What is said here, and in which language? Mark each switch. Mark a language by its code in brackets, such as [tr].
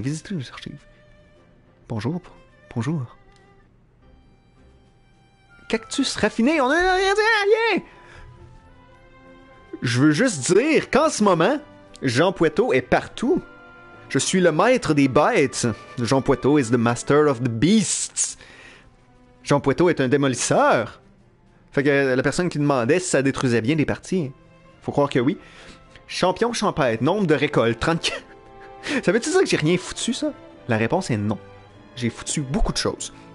[fr] Visitez les archives. Bonjour. Bonjour. Cactus raffiné. On a rien dit à rien! Je veux juste dire qu'en ce moment, Jean Poitou est partout. Je suis le maître des bêtes. [en] Jean Poitou is the master of the beasts. [fr] Jean Poitou est un démolisseur. Fait que la personne qui demandait si ça détruisait bien des parties. Faut croire que oui. Champion champêtre, nombre de récoltes, 34. Ça veut-tu dire que j'ai rien foutu, ça? La réponse est non. J'ai foutu beaucoup de choses.